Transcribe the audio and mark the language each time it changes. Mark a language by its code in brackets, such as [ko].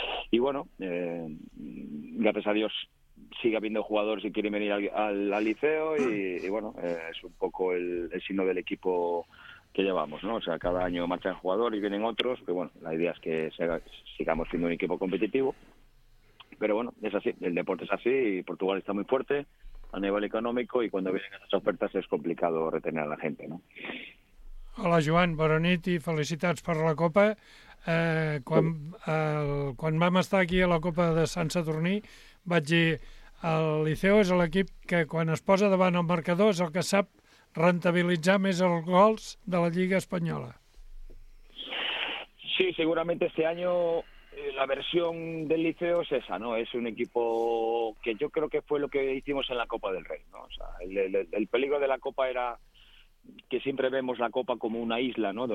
[es] Y bueno, gracias a Dios sigue habiendo jugadores y quieren venir al Liceo y bueno, es un poco el signo del equipo que llevamos, ¿no? O sea, cada año marcha el jugador y vienen otros, pero bueno, la idea es que sigamos siendo un equipo competitivo. Pero bueno, es así, el deporte es así y Portugal está muy fuerte a nivel [ca] econòmic i quan vienen aquestes ofertes és complicat retenir a la gent, [es] no? [ca] Hola, Joan, bona nit i felicitats per la Copa. Quan vam estar aquí a la Copa de Sant Sadurní, vaig dir, el Liceu és l'equip que quan es posa davant el marcador és el que sap rentabilitzar més els gols de la Lliga Espanyola. [es] Sí, [ca] segurament este any [es] la versión del Liceo es esa, ¿no? Es un equipo que yo creo que fue lo que hicimos en la Copa del Rey, ¿no? O sea, el peligro de la Copa era que siempre vemos la Copa como una isla, ¿no?